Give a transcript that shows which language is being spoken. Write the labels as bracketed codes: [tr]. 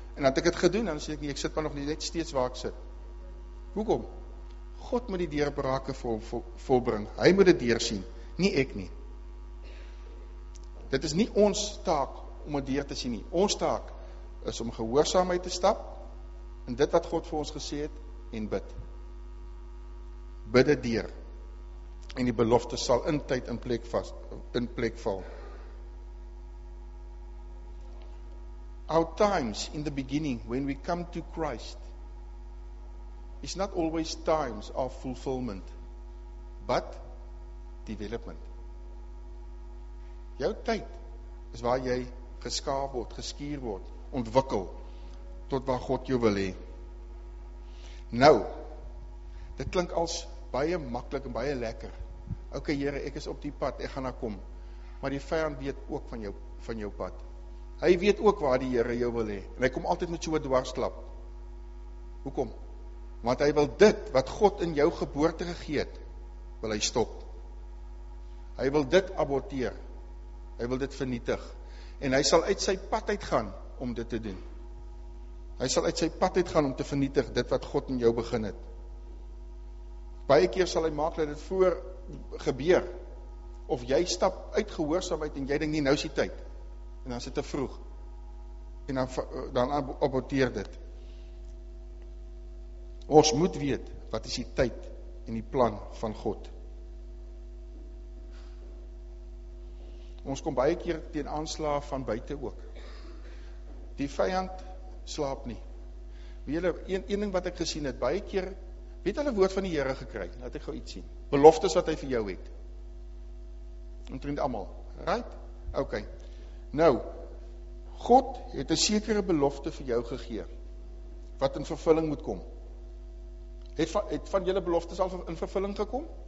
[af] En dan het ek het gedoen, dan sê ek nie, ek sit maar nog nie net steeds waar ek sit. Hoekom? God moet die deurbrake volbring. Hy moet dit deursien, nie ek nie. Dit is nie ons taak om dit deur te sien nie. Ons taak is om gehoorsaamheid te stap in dit wat God vir ons gesê het en bid. Bid dit deur. En die belofte sal in tyd in plek val. [en] Our times in the beginning when we come to Christ is not always times of fulfillment but development. [af] Jou tyd is waar jy geskaaf word, geskuur word, ontwikkel tot waar God jou wil hê. Nou, dit klink als baie maklik en baie lekker. Oké, Here, ek is op die pad, ek gaan daar kom. Maar die vyand weet ook van jou pad. Hy weet ook waar die Here jou wil hê. En hy kom altyd met so 'n dwarsklap. Hoekom? Want hy wil dit wat God in jou geboorte gegee het, wil hy stop. Hy wil dit aborteer. Hy wil dit vernietig. En hy sal uit sy pad uitgaan om dit te doen. Hy sal uit sy pad uitgaan om te vernietig dit wat God in jou begin het. Baie keer sal hy maak dat dit voor gebeur. Of jy stap uit gehoorsaamheid en jy dink nie, nou is die tyd. En dan is dit te vroeg. En dan aborteer dit. Ons moet weet, wat is die tyd en die plan van God. Ons kom baie keer teen aanslag van buite ook. Die vyand slaap nie. Weet julle, een ding wat ek gesien het, baie keer, weet hulle woord van die Here gekry, laat ek gou iets sien. Beloftes wat hy vir jou het. Omtrent allemaal. [en] Right? [af] Okay. Nou, God het 'n sekere belofte vir jou gegee, wat in vervulling moet kom. Het van julle beloftes al in vervulling gekom?